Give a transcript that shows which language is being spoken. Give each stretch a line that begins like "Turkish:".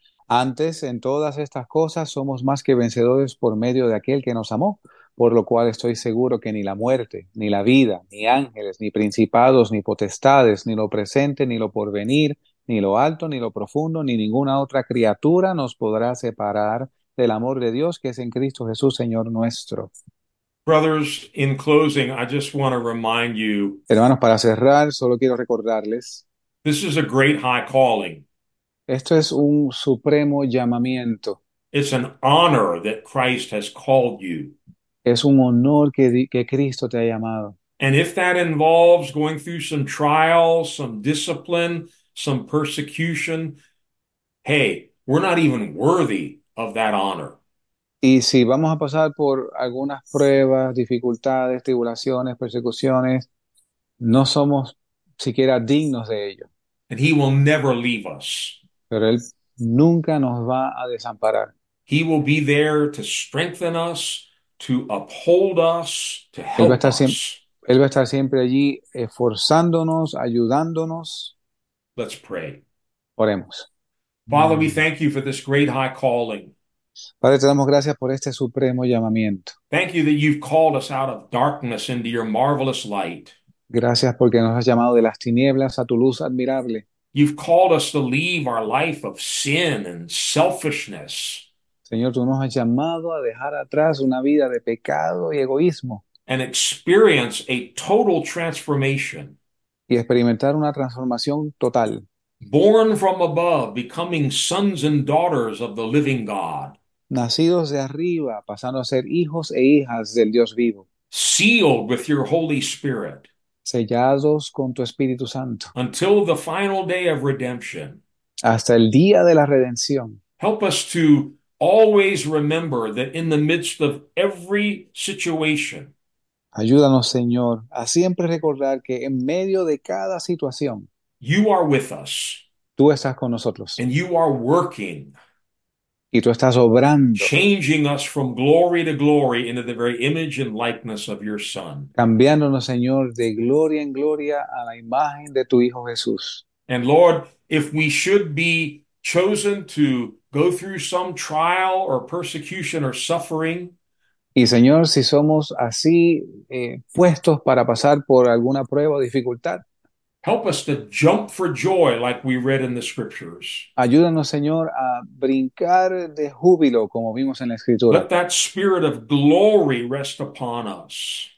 Spanish: Antes, en todas estas cosas, somos más que vencedores por medio de aquel que nos amó, por lo cual estoy seguro que ni la muerte, ni la vida, ni ángeles, ni principados, ni potestades, ni lo presente, ni lo porvenir, ni lo alto, ni lo profundo, ni ninguna otra criatura nos podrá separar del amor de Dios que es en Cristo Jesús, Señor nuestro.
English: Brothers, in closing, I just want to remind you,
Spanish: Hermanos, para cerrar, solo quiero recordarles,
English: this is a great high calling.
Spanish: esto es un supremo llamamiento.
English: It's an honor that Christ has called you.
Spanish: Es un honor que Cristo te ha llamado.
English: And if that involves going through some trials, some discipline, some persecution, hey, we're not even worthy of that honor.
Spanish: Y si vamos a pasar por algunas pruebas, dificultades, tribulaciones, persecuciones, no somos siquiera dignos de ello.
English: And he will never leave us.
Spanish: Pero Él nunca nos va a desamparar.
English: He will be there to strengthen us, to uphold us, to
Spanish: Él va a estar siempre
English: us.
Spanish: allí esforzándonos, ayudándonos.
English: Let's pray.
Spanish: Oremos.
English: Father, we thank you for this great high calling.
Spanish: Padre, te damos gracias por este supremo llamamiento.
English: Thank you that you've called us out of darkness into your marvelous light.
Spanish: Gracias porque nos has llamado de las tinieblas a tu luz admirable.
English: You've called us to leave our life of sin and selfishness
Spanish: Señor, tú nos has llamado a dejar atrás una vida de pecado y egoísmo
English: and experience a total transformation.
Spanish: y experimentar una transformación total.
English: Born from above, becoming sons and daughters of the living God.
Spanish: Nacidos de arriba, pasando a ser hijos e hijas del Dios vivo.
English: Sealed with your Holy Spirit.
Spanish: Sellados con tu Espíritu Santo.
English: Until the final day of redemption,
Spanish: Hasta el día de la redención.
English: help us to always remember that in the midst of every situation,
Spanish: Ayúdanos, Señor, a siempre recordar que en medio de cada situación,
English: you are with us
Spanish: tú estás con nosotros.
English: and you are working,
Spanish: Y tú estás obrando,
English: changing us from glory to glory into the very image and likeness of your Son.
Spanish: cambiándonos, Señor, de gloria en gloria a la imagen de tu Hijo Jesús.
English: And Lord, if we should be chosen to go through some trial or persecution or suffering,
Spanish: Y Señor, si somos así puestos para pasar por alguna prueba o dificultad,
English: help us to jump for joy like we read in the scriptures.
Spanish: ayúdanos, Señor, a brincar de júbilo como vimos en la
English: Let
Spanish: Escritura.
English: that spirit of glory rest upon us.